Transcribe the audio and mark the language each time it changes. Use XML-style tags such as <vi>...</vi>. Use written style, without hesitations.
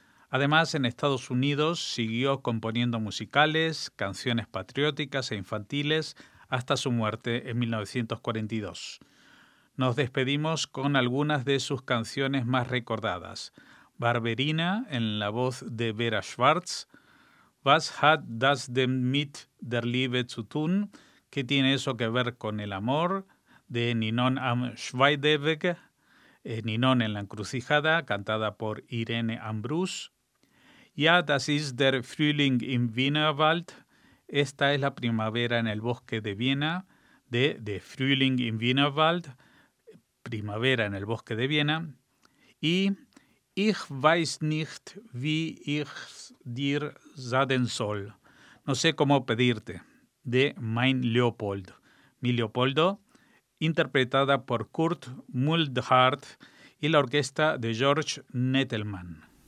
<es>Además, en Estados Unidos siguió componiendo musicales, canciones patrióticas e infantiles hasta su muerte en 1942. Nos despedimos con algunas de sus canciones más recordadas. Barberina, en la voz de Vera Schwarz.</es> <de>Was hat das denn mit der Liebe zu tun?</de> <es>¿Qué tiene eso que ver con el amor? De Ninon am Schweideweg, Ninon en la encrucijada, cantada por Irene Ambrus.</es> <de>Ja, das ist der Frühling im Wienerwald.</de> <es>Esta es la primavera en el bosque de Viena. De Frühling im Wienerwald, primavera en el bosque de Viena.</es> <de>Y ich weiß nicht, wie ich dir sagen soll.</de> <es>No sé cómo pedirte. De Mein Leopold. Mi Leopoldo, interpretada por Kurt Muldhardt y la orquesta de George Nettelmann.</es>